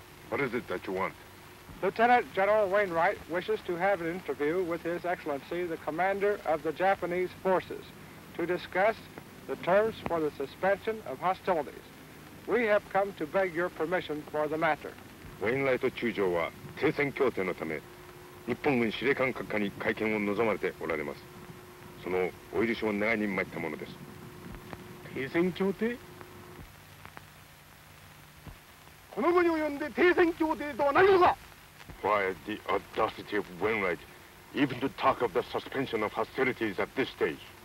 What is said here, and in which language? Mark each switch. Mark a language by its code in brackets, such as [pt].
[en] What is it that you want? Lieutenant General Wainwright wishes to have an interview with His Excellency, the Commander of the Japanese Forces, to discuss the terms for the suspension of hostilities. We have come to beg your permission for the matter. [ja] Wainwright 中将は停戦協定のため、日本軍司令官閣下に会見を望まれておられます。そのお許しを願いに参ったものです。停戦協定? この国を呼んで停戦協定とは何事か? [en] Why the audacity of Wainwright, even to talk of the suspension of hostilities at this stage?